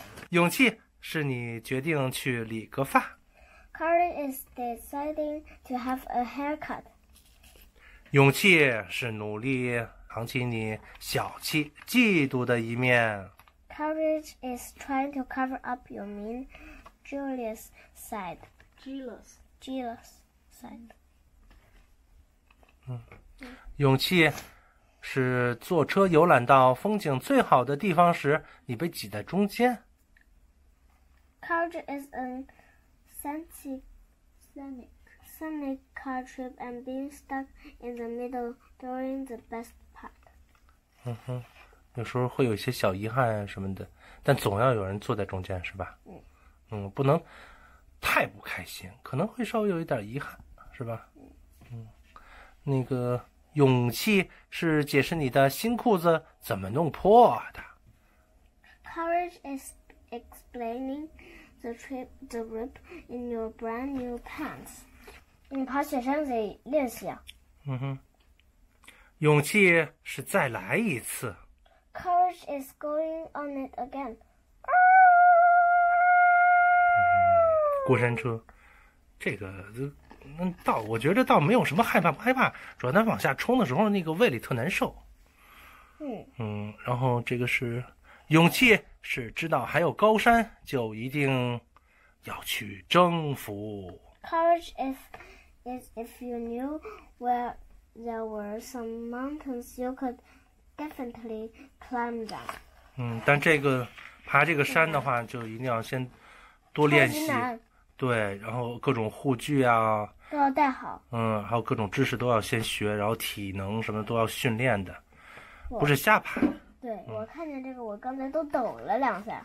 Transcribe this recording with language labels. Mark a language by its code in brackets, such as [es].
[zh] 勇气是你决定去理个发。 [en] Courage is deciding to have a haircut. [zh] 勇气是努力藏起你小气、嫉妒的一面。 [en] Courage is trying to cover up your mean, jealous side. Jealous side. [zh] 嗯，勇气是坐车游览到风景最好的地方时，你被挤在中间。 [en] Courage is a scenic car trip and being stuck in the middle during the best part. [zh] 嗯哼，有时候会有一些小遗憾什么的，但总要有人坐在中间，是吧？嗯，嗯，不能太不开心，可能会稍微有一点遗憾，是吧？那个勇气是解释你的新裤子怎么弄破的。 [en] Courage is explaining the rip in your brand new pants. [zh] 你跑雪山得练习啊。嗯哼。勇气是再来一次。 [en] Courage is going on it again. [zh] 过山车，这个。我觉得倒没有什么害怕不害怕，主要他往下冲的时候那个胃里特难受。嗯，然后这个是勇气，是知道还有高山就一定要去征服。 [en] Courage is if you knew where there were some mountains, you could definitely climb them. [zh] 嗯，但这个爬这个山的话，就一定要先多练习。对，然后各种护具啊都要带好，嗯，还有各种知识都要先学，然后体能什么都要训练的，不是瞎爬。对，我看见这个，我刚才都抖了两下。